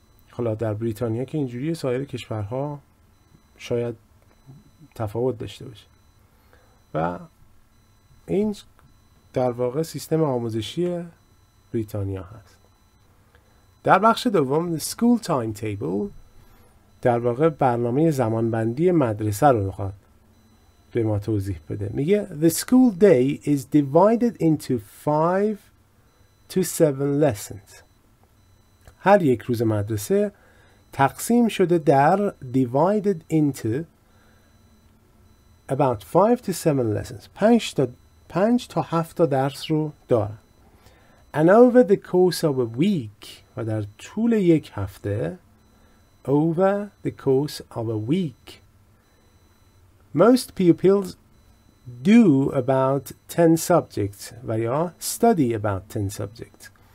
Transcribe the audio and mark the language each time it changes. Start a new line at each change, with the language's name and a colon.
Persian: حالا در بریتانیا که اینجوری, سایر کشورها شاید تفاوت داشته باشه و این در واقع سیستم آموزشی بریتانیا هست. در بخش دوم,
English: the school timetable,
Persian: در واقع برنامه زمانبندی مدرسه رو میخواد به ما توضیح بده.
English: میگه the school day is divided into 5 to 7 lessons.
Persian: هر یک روز مدرسه تقسیم شده در
English: divided into about 5 to 7 lessons.
Persian: 5 تا 7 درس رو داره.
English: And over the course of a week,
Persian: و در طول یک هفته,
English: most pupils do about 10 subjects,
Persian: و یا
English: study about 10 subjects.